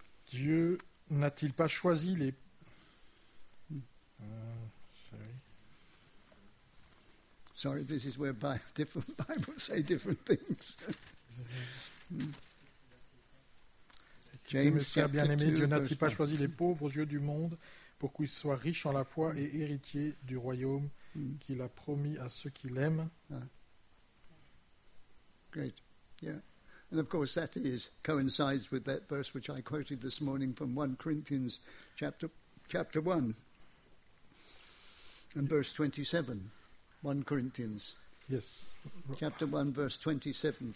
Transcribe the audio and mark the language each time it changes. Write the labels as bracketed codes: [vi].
[fr] Dieu n'a-t-il pas choisi les... [en] Sorry, this is where different Bibles say different things. [fr] James, frère bien-aimé, Dieu n'a-t-il pas choisi les pauvres aux yeux du monde pour qu'ils soient riches en la foi et héritiers du royaume qu'il a promis à ceux qui l'aiment? [en] Great. Yeah. And of course that is coincides with that verse which I quoted this morning from 1 Corinthians chapter 1 and verse 27. 1 Corinthians. Yes. Chapter 1, verse 27.